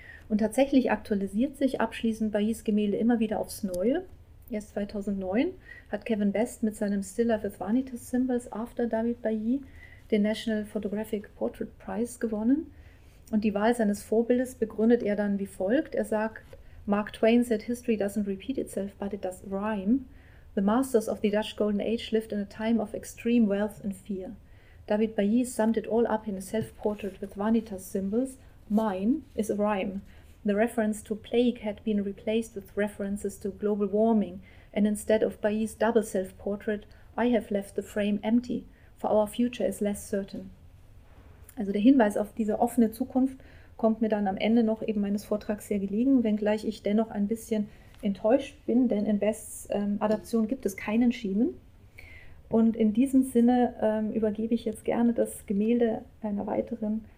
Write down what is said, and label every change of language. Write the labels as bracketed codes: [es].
[de] Und tatsächlich aktualisiert sich abschließend Baillis Gemälde immer wieder aufs Neue. Erst 2009 hat Kevin Best mit seinem Still Life with Vanitas Symbols After David Bailly den National Photographic Portrait Prize gewonnen. Und die Wahl seines Vorbildes begründet er dann wie folgt. Er sagt, [en] Mark Twain said, History doesn't repeat itself, but it does rhyme. The masters of the Dutch Golden Age lived in a time of extreme wealth and fear. David Bailly summed it all up in a self-portrait with Vanitas symbols. Mine is a rhyme. The reference to plague had been replaced with references to global warming, and instead of Bailly's double self-portrait, I have left the frame empty, for our future is less certain. [de] Also der Hinweis auf diese offene Zukunft kommt mir dann am Ende noch eben meines Vortrags sehr gelegen, wenngleich ich dennoch ein bisschen enttäuscht bin, denn in Bests Adaption gibt es keinen Schemen. Und in diesem Sinne übergebe ich jetzt gerne das Gemälde einer weiteren